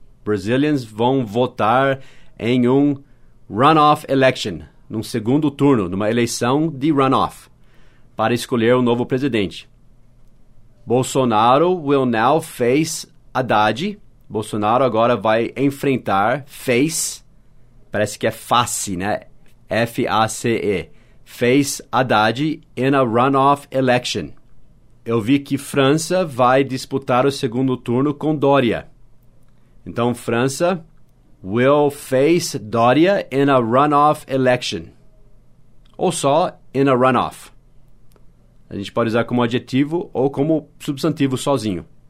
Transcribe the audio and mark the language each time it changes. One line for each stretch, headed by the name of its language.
English: Brazilians
Portuguese: vão votar em um
English: runoff election,
Portuguese: num segundo turno, numa eleição
English: de runoff,
Portuguese: para escolher um novo presidente.
English: Bolsonaro will now face Haddad.
Portuguese: Bolsonaro agora vai enfrentar, face, parece que é face, né? F-A-C-E.
English: Face Haddad in a runoff election.
Portuguese: Eu vi que França vai disputar o segundo turno com Dória. Então,
English: França will face Dória in a runoff election.
Portuguese: Ou só
English: in a runoff.
Portuguese: A gente pode usar como adjetivo ou como substantivo sozinho.